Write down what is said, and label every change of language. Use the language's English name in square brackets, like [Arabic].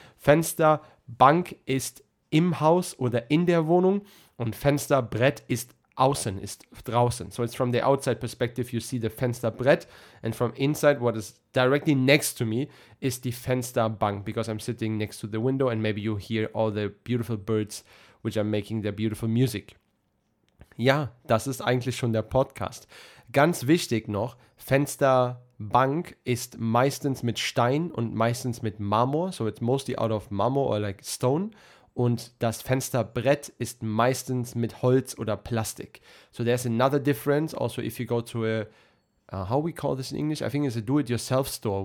[German] Fensterbank ist im Haus oder in der Wohnung. Und Fensterbrett ist außen, ist draußen. [English] So it's from the outside perspective, you see the Fensterbrett. And from inside, what is directly next to me, is the Fensterbank. Because I'm sitting next to the window and maybe you hear all the beautiful birds, which are making their beautiful music. [German] Ja, das ist eigentlich schon der Podcast. Ganz wichtig noch, Fensterbank ist meistens mit Stein und meistens mit Marmor. [English] So it's mostly out of marmor or like stone. [German] Und das Fensterbrett ist meistens mit Holz oder Plastik. [English] So there's another difference. Also if you go to how we call this in English? I think it's a do-it-yourself store.